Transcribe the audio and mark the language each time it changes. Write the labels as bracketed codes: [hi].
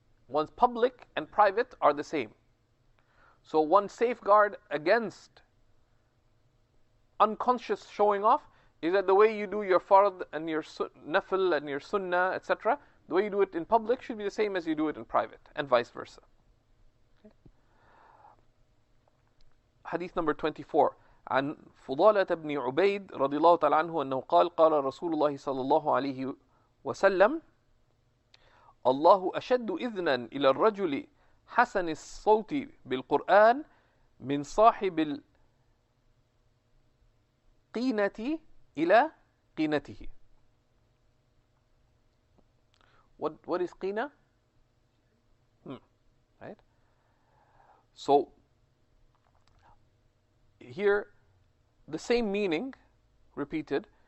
[en] One's public and private are the same. So one safeguard against unconscious showing off is that the way you do your fard and your nafil and your sunnah, etc., the way you do it in public should be the same as you do it in private, and vice versa. [ar] حديث نمبر 24 عن فضالة بن عبيد رضي الله تعالى عنه أنه قال قال رسول الله صلى الله عليه وسلم الله أشد إذنا إلى الرجل حسن الصوت بالقرآن من صاحب القينة إلى قينته. [en] What is قينة? So here the same meaning repeated.